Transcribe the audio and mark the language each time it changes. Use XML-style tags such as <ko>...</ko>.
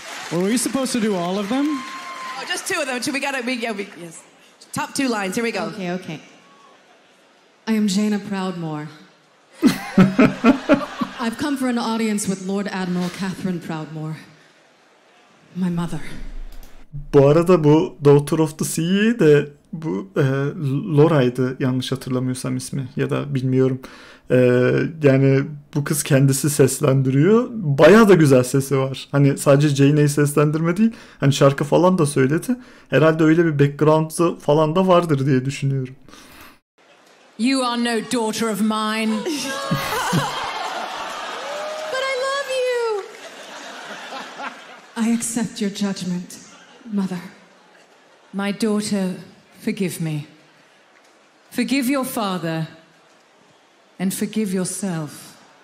<en>Well, were you supposed to do all of them? Oh, just two of them. Should we get it? Yes. Top two lines. Here we go. Okay, okay. I am Jaina Proudmoore. I've come for an audience with Lord Admiral Catherine Proudmoore. My mother.</en> <tr>Bu arada bu Daughter of the Sea de bu Lora'ydı yanlış hatırlamıyorsam ismi ya da bilmiyorum. Yani bu kız kendisi seslendiriyor. Bayağı da güzel sesi var. Hani sadece Jaina'yı seslendirme değil. Hani şarkı falan da söyledi. Herhalde öyle bir background'ı falan da vardır diye düşünüyorum.</tr> <en>You are no daughter of mine. But I love you. I accept your judgment, mother. My daughter, forgive me. Forgive your father and forgive yourself.</en>